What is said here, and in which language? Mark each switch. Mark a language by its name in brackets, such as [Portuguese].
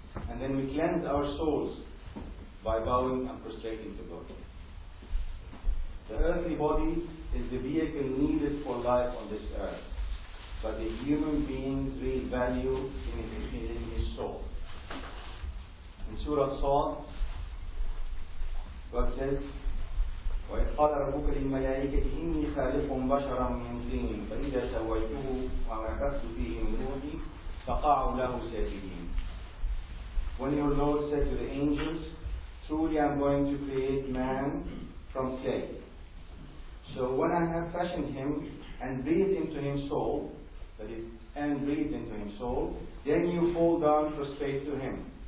[English] And then we cleanse our souls by bowing and prostrating to God. The earthly body is the vehicle needed for life on this earth, but the human being's real value is in his soul. In Surah Sa'd, God says, [Arabic] وَإِقَالَ رَبُّكَ لِلْمَلَائِكَةِ إِنِّي خَالِقٌ بَشَرًا مِنْ طِينٍ فَإِذَا سَوَّيْتُهُ وَنَفَخْتُ فِيهِ مِنْ رُوحِي فَقَعُوا لَهُ سَاجِدِينَ. [English] When your Lord said to the angels, truly I'm going to create man from clay. So when I have fashioned him and breathed into him soul, that is, and breathed into him soul, then you fall down prostrate to him.